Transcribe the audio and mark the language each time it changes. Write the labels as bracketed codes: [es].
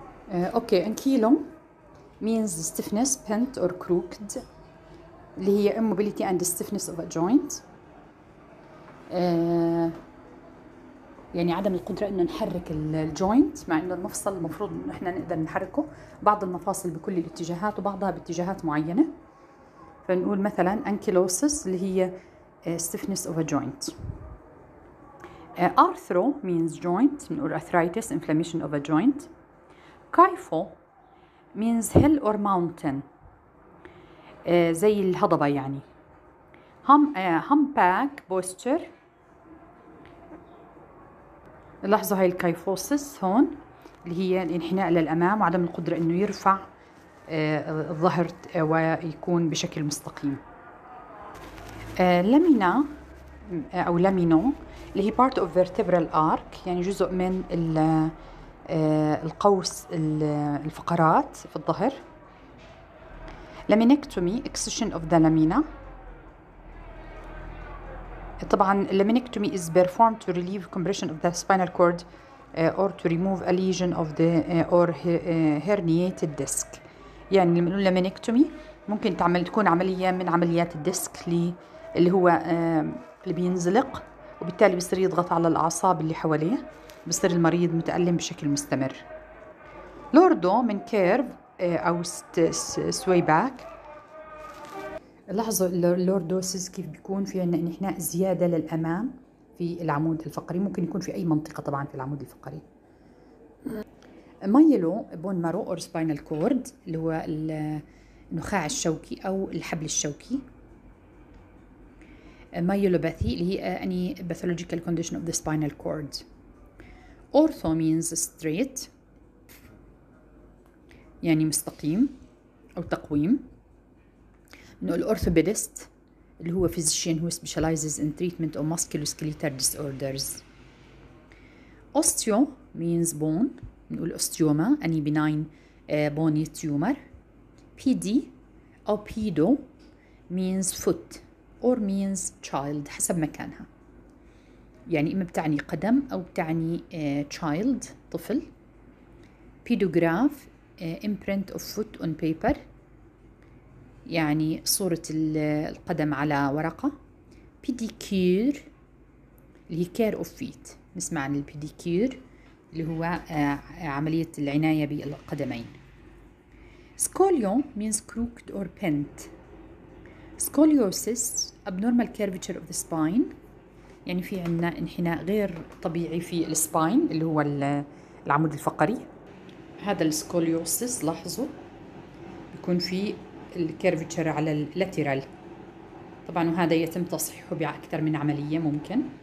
[ar] اوكي، انكيلوم [en] means stiffness, bent or crooked، [ar] اللي هي [en] immobility and stiffness of a joint، [ar] يعني عدم القدرة انه نحرك الجوينت، مع انه المفصل المفروض انه احنا نقدر نحركه، بعض المفاصل بكل الاتجاهات وبعضها باتجاهات معينة. فنقول مثلا [en] ankylosis [ar] اللي هي [en] stiffness of a joint. Arthro means joint، [ar] نقول [en] arthritis, inflammation of a joint. Kypho means hill or mountain، [ar] زي الهضبة يعني. [en] Humpback posture، [ar] لاحظوا هاي الكايفوسس هون اللي هي الانحناء للأمام وعدم القدرة انه يرفع الظهر ويكون بشكل مستقيم. لامينا او لامينو اللي هي [en] part of vertebral arc، [ar] يعني جزء من القوس الفقرات في الظهر. [en] laminectomy excision of the lamina، [ar] طبعا [en] Laminectomy is performed to relieve compression of the spinal cord or to remove a lesion of the or herniated disc. [ar] يعني لما نقول لامينكتومي ممكن تعمل تكون عملية من عمليات الديسك اللي هو اللي بينزلق، وبالتالي بيصير يضغط على الأعصاب اللي حواليه، بصير المريض متألم بشكل مستمر. لوردو من كيرف أو سوي باك، لاحظوا اللوردوسيس كيف بيكون في عنا إحنا زيادة للأمام في العمود الفقري، ممكن يكون في أي منطقة طبعا في العمود الفقري. مايلو بون مارو أو سباينال كورد اللي هو النخاع الشوكي أو الحبل الشوكي. [en] myelopathy [ar] اللي هي [en] Any pathological condition of the spinal cord. Ortho means straight، [ar] يعني مستقيم أو تقويم. [en] نقول orthopedist [ar] اللي هو [en] physician who specializes in treatment of musculoskeletal disorders. Osteo means bone، [ar] نقول [en] osteoma any benign bony tumor. [ar] PD أو pedo [en] means foot or means child، [ar] حسب مكانها، يعني إما بتعني قدم أو بتعني child، طفل. [en] Pedograph imprint of foot on paper، [ar] يعني صورة القدم على ورقة. Pedicure اللي هي [en] care of feet، [ar] نسمع عن البيديكير اللي هو عملية العناية بالقدمين. [en] Scolion means crooked or bent. [ar] Scoliosis [en] abnormal curvature of the spine، [ar] يعني في عنا انحناء غير طبيعي في السباين اللي هو العمود الفقري. هذا السكوليوسيس لاحظوا بيكون في الكيرفتشر على اللاترال طبعا، وهذا يتم تصحيحه بأكثر من عملية ممكن.